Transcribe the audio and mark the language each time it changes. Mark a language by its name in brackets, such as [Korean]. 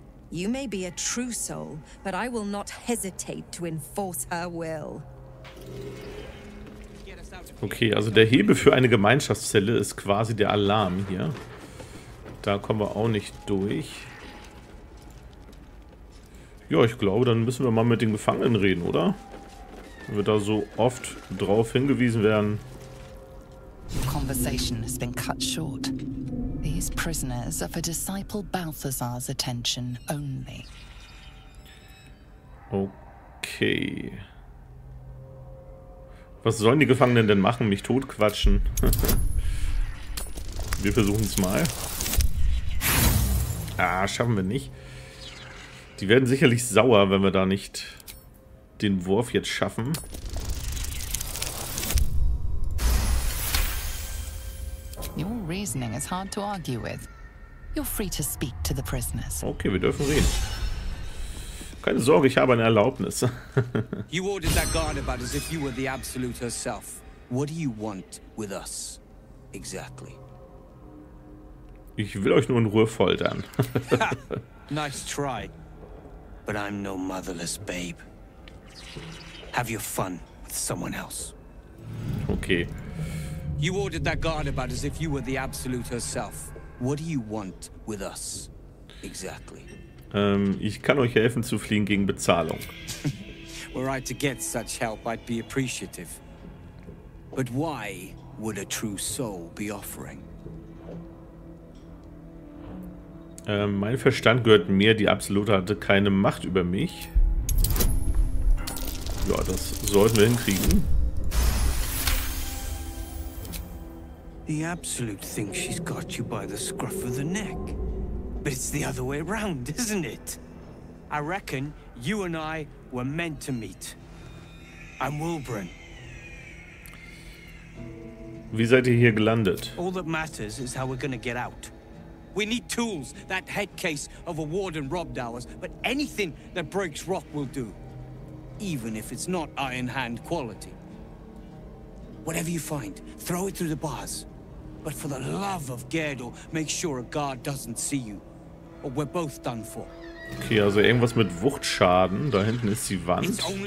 [English] You may be a true soul, but I will not hesitate to enforce her will. [German] Okay, also der Hebel für eine Gemeinschaftszelle ist quasi der Alarm hier. Da kommen wir auch nicht durch. Ja, ich glaube, dann müssen wir mal mit den Gefangenen reden, oder? Wenn wir da so oft drauf hingewiesen werden. [English] The conversation has been cut short. These prisoners are for Disciple Balthazar's attention only. [German] Okay. Was sollen die Gefangenen denn machen? Mich totquatschen? Wir versuchen es mal. Ah, schaffen wir nicht. Die werden sicherlich sauer, wenn wir da nicht den Wurf jetzt schaffen. [English] Reasoning is hard to argue with. You're free to speak to the prisoners. [German] Okay, wir dürfen reden. Keine Sorge, ich habe eine Erlaubnis. [English] You ordered that guard about as if you were the absolute herself. What do you want with us exactly? [German] Ich will euch nur in Ruhe foltern. [English] Nice try. But I'm no motherless babe. Have your fun with someone else. [German] Okay. [English] You ordered that guard about as if you were the absolute herself. What do you want with us exactly? [German] Ich kann euch helfen zu fliehen gegen Bezahlung. [English] Were I to get such help, I'd be appreciative. But why would a true soul be offering? [German] Mein Verstand gehört mir, die Absolute hatte keine Macht über mich. Ja, das sollten wir hinkriegen. [English] The Absolute thinks she's got you by the scruff of the neck. But it's the other way around, isn't it? I reckon you and I were meant to meet. I'm Wilbrin. [German] Wie seid ihr hier gelandet? [English] All that matters is how we're gonna get out. We need tools. That head case of a warden robbed ours. But anything that breaks rock will do. Even if it's not Iron Hand quality. Whatever you find, throw it through the bars. But for the love of Gerdo, make sure a guard doesn't see you. Or we're both done for. [German] Okay, also irgendwas mit Wuchtschaden. Da hinten ist die Wand.